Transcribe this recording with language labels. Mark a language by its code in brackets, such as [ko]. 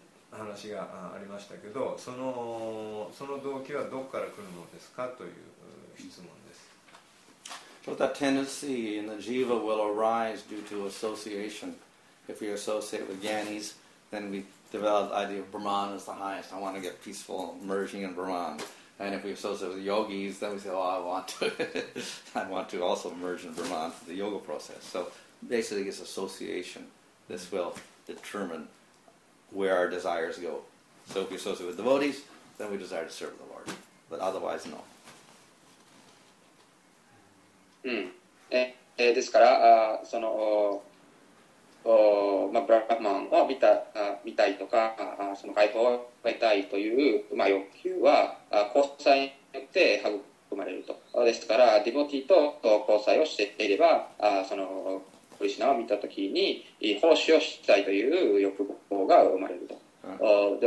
[ja] 話がありましたけど、その動機はどこから来るのですかという質問です。 [en] So that tendency in the jiva will arise due to association. If we associate with jnanis, then we develop the idea of Brahman as the highest. I want to get peaceful, merging in Brahman. And if we associate with yogis, then we say, oh, I want to also merge in Brahman for the yoga process. So basically it's association. This will determine where our desires go. So if we associate with devotees, then we desire to serve the Lord. But otherwise, no. [ja] ですから、その、まあ、ブラッマンを見たいとか、その解放を得たいという、まあ、欲求は、交際によって育まれると。ですから、ディボティと交際をしていれば、その、クリシナを見たときに、奉仕をしたいという欲望が生まれると。